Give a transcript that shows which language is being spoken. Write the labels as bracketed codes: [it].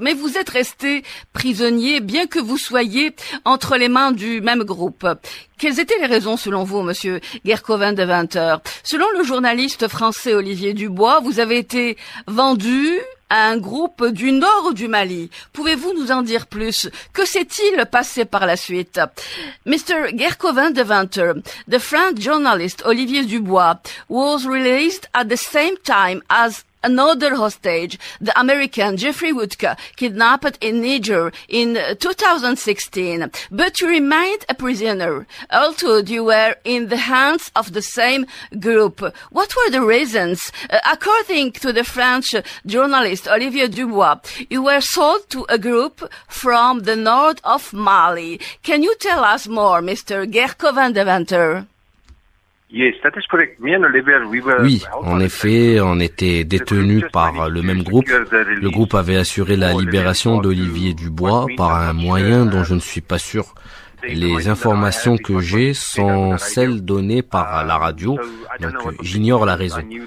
[fr] Mais vous êtes resté prisonnier bien que vous soyez entre les mains du même groupe. Quelles étaient les raisons selon vous, monsieur Gerco van Deventer? Selon le journaliste français Olivier Dubois, vous avez été vendu à un groupe du nord du Mali. Pouvez-vous nous en dire plus? Que s'est-il passé par la suite? Mr. [en] Gerco van Deventer, the French journalist Olivier Dubois, was released at the same time as another hostage, the American Jeffrey Woodke, kidnapped in Niger in 2016. But you remained a prisoner. Although you were in the hands of the same group. What were the reasons? According to the French journalist Olivier Dubois, you were sold to a group from the north of Mali. Can you tell us more, Mr. Gerco van Deventer? [fr] Oui, en effet, on était détenus par le même groupe. Le groupe avait assuré la libération d'Olivier Dubois par un moyen dont je ne suis pas sûr. Les informations que j'ai sont celles données par la radio, donc j'ignore la raison.